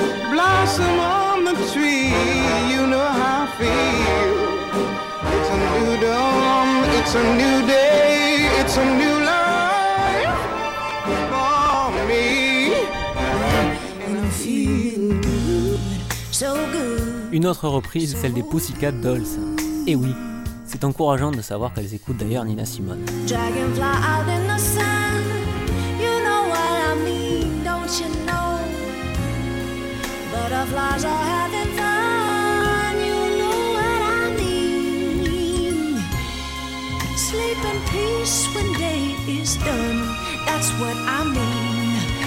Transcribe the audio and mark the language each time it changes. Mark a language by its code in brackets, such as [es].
[en] Blossom on the tree, you know how I feel. It's a new dawn, it's a new day, it's a new life for me. And I'm feeling good, so good. [fr] Une autre reprise, so celle des Pussycat Dolls. Et oui, c'est encourageant de savoir qu'elles écoutent d'ailleurs Nina Simone. [en] Dragonfly out in the sun, you know what I mean, don't you know? Butterflies are having fun, you know what I mean. Sleep in peace when day is done, that's what I mean.